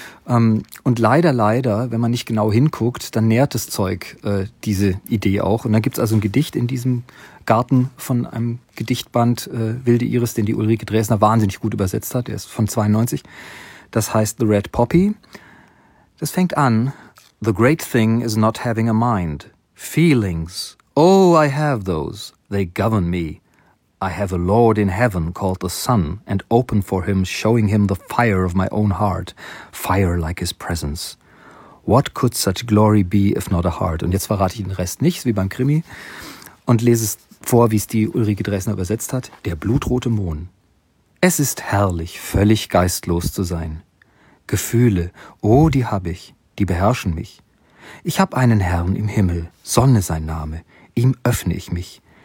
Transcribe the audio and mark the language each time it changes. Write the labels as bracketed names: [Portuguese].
[German] Und leider, leider, wenn man nicht genau hinguckt, dann nährt das Zeug diese Idee auch. Und dann gibt's also ein Gedicht in diesem Garten von einem Gedichtband Wilde Iris, den die Ulrike Dresner wahnsinnig gut übersetzt hat. Der ist von 92. Das heißt The Red Poppy. Das fängt an. [English] The great thing is not having a mind. Feelings. Oh, I have those. They govern me. I have a lord in heaven called the sun and open for him, showing him the fire of my own heart. Fire like his presence. What could such glory be if not a heart? [German] Und jetzt verrate ich den Rest nicht, wie beim Krimi, und lese es vor, wie es die Ulrike Dresner übersetzt hat, der blutrote Mohn. Es ist herrlich, völlig geistlos zu sein. Gefühle, oh, die hab ich, die beherrschen mich. Ich hab einen Herrn im Himmel, Sonne sein Name, ihm öffne ich mich.